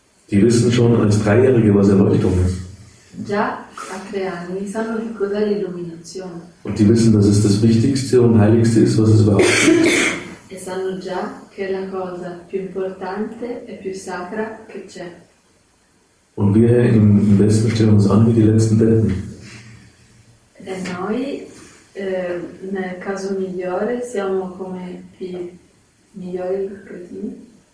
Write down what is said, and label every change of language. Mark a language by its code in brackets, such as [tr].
[de] Die wissen schon als Dreijährige, was Erleuchtung ist. [it] Già a 3 anni sanno che cos'è l'illuminazione. [de] Und die wissen, dass es das Wichtigste und Heiligste ist, was es überhaupt gibt. [it] E sanno già che è la cosa più importante e più sacra che c'è. [de] Und wir im Westen stellen uns an wie die letzten Deppen. [it] E noi, nel caso migliore, siamo come i migliori cretini.